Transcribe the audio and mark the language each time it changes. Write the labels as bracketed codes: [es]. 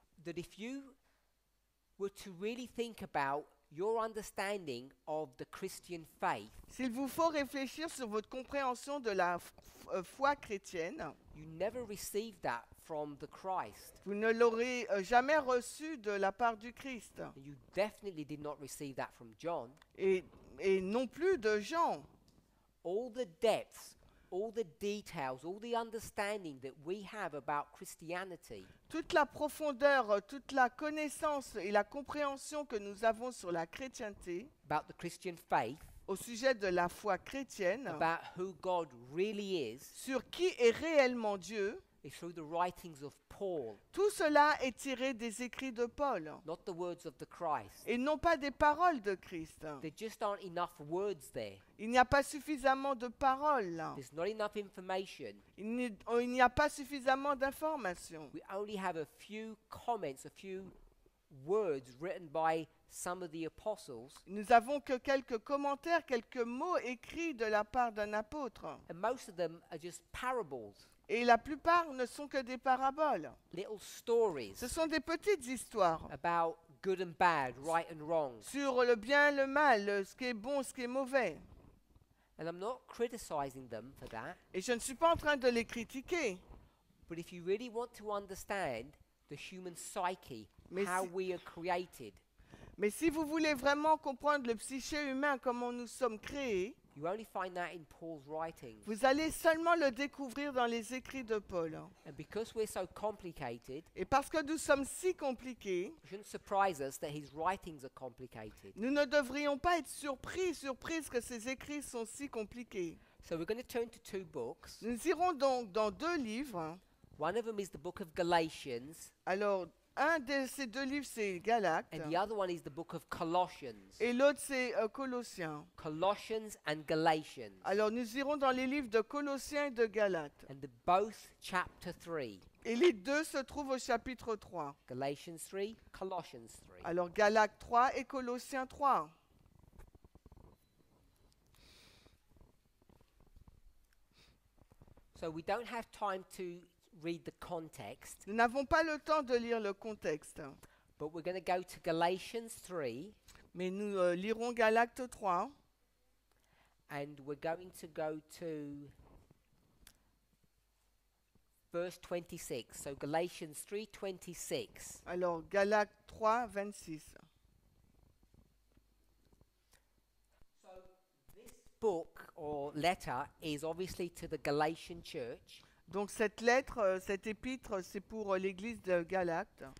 [en] that if you were to really think about your understanding of the Christian faith, [fr] s'il vous faut réfléchir sur votre compréhension de la foi chrétienne, [en] you never received that from the Christ. [fr] Vous ne l'aurez jamais reçu de la part du Christ. [en] You definitely did not receive that from John. [fr] Et non plus de Jean. [en] All the depths, all the details, all the understanding that we have about Christianity, [fr] toute la profondeur, toute la connaissance et la compréhension que nous avons sur la chrétienté, [en] about the Christian faith, [fr] au sujet de la foi chrétienne, [en] about who God really is, [fr] sur qui est réellement Dieu, [en] is through the writings of Paul. [fr] Tout cela est tiré des écrits de Paul, [en] not the words of the Christ. [fr] Et non pas des paroles de Christ. [en] There just aren't enough words there. [fr] Il n'y a pas suffisamment de paroles. [en] There's not enough information. [fr] Il n'y a pas suffisamment d'informations. [en] We only have a few comments, a few words written by some of the apostles. [fr] Nous avons que quelques commentaires, quelques mots écrits de la part d'un apôtre. [en] And most of them are just parables. [fr] Et la plupart ne sont que des paraboles. [en] Little stories. [fr] Ce sont des petites histoires. [en] About good and bad, right and wrong. [fr] Sur le bien et le mal, ce qui est bon, ce qui est mauvais. [en] And I'm not criticizing them for that. [fr] Et je ne suis pas en train de les critiquer. [en] But if you really want to understand the human psyche, mais how we are created. [fr] Mais si vous voulez vraiment comprendre le psyché humain, comment nous sommes créés, [en] you only find that in Paul's writings. [fr] Vous allez seulement le découvrir dans les écrits de Paul. [en] And because we're so complicated, [fr] et parce que nous sommes si compliqués, [en] it shouldn't surprise us that his writings are complicated. [fr] Nous ne devrions pas être surpris que ses écrits sont si compliqués. [en] So we're going to turn to two books. [fr] Nous irons donc dans deux livres. [en] One of them is the book of Galatians. [fr] Alors, un de ces deux livres, c'est Galates. [en] And the other one is the book of Colossians. [fr] Et l'autre, c'est Colossiens. [en] Colossians and Galatians. [fr] Alors, nous irons dans les livres de Colossiens et de Galates. [en] And both chapter 3. [fr] Et les deux se trouvent au chapitre 3. [en] Galatians 3, Colossians 3. [fr] Alors, Galates 3 et Colossiens 3. [en] So, we don't have time to read the context. [fr] Nous n'avons pas le temps de lire le contexte. [en] But we're going to go to Galatians 3. [fr] Mais nous lirons Galates 3. [en] And we're going to go to verse 26. So Galatians 3, 26. [fr] Alors Galates 3, 26. [en] So this book or letter is obviously to the Galatian church. [fr] Donc cette lettre, cette épître, c'est pour l'église de Galates.